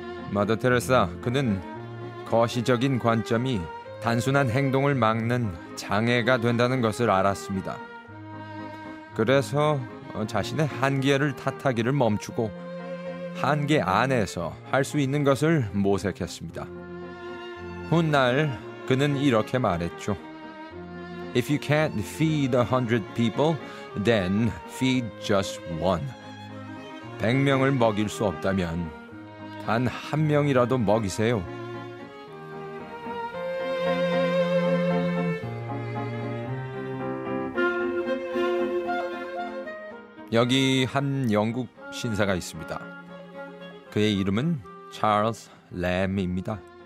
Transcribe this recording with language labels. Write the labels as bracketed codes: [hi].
[ko] 마더 테레사, 그는 거시적인 관점이 단순한 행동을 막는 장애가 된다는 것을 알았습니다. 그래서 자신의 한계를 탓하기를 멈추고 한계 안에서 할 수 있는 것을 모색했습니다. 훗날 그는 이렇게 말했죠. [en] If you can't feed 100 people, then feed just one. [ko] 100명을 먹일 수 없다면 단 한 명이라도 먹이세요. 여기 한 영국 신사가 있습니다. 그의 이름은 찰스 램입니다.